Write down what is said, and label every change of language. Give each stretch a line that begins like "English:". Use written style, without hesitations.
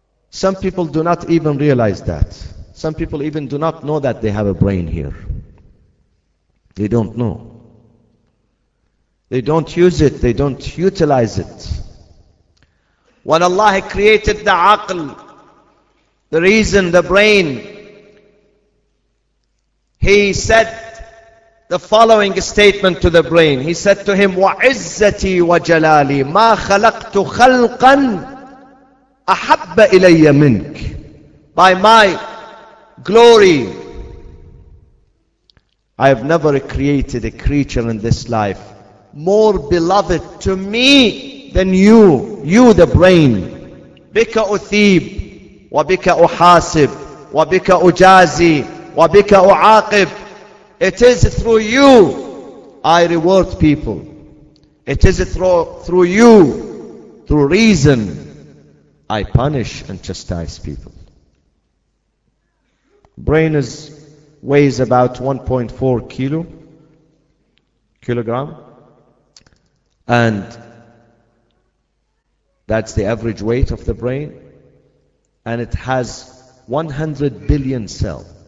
English: Some people do not even realize that. Some people even do not know that they have a brain here. They don't know. They don't use it. They don't utilize it. When Allah created the aql, the reason, the brain, He said the following statement to the brain. He said to him,
Arabic: وَعِزَّتِي وَجَلَالِي مَا خَلَقْتُ خَلْقًا أَحَبَّ إِلَيَّ مِنْكِ.
English: By my glory, I have never created a creature in this life more beloved to me than you. You, the brain.
Arabic: بِكَ أُثِيب وَبِكَ أُحَاسِب وَبِكَ أُجَازِي وَبِكَ أُعَاقِبْ.
English: It is through you I reward people. It is through you, through reason, I punish and chastise people. Brain is weighs about 1.4 kilogram, and that's the average weight of the brain, and it has 100 billion cells.